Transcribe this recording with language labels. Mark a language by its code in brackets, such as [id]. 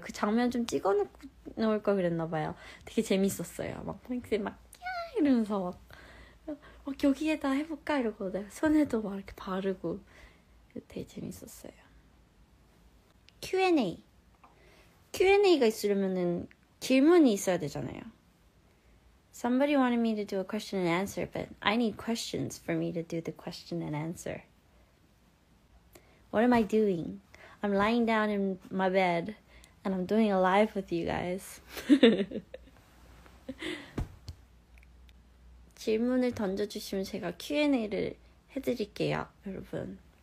[ko] 그 장면 좀 찍어놓을 걸 그랬나 봐요. 되게 재밌었어요. 막 맹쌤 막 야! 이러면서 막 여기에다 해볼까? 이러고 내가 손에도 막 이렇게 바르고 되게 재밌었어요. Q&A가 있으려면은 질문이 있어야 되잖아요. [en] Somebody wanted me to do a question and answer, but I need questions for me to do the question and answer. What am I doing? I'm lying down in my bed, and I'm doing a live with you guys. [ko] 질문을 던져주시면 제가 Q&A를 해드릴게요, 여러분.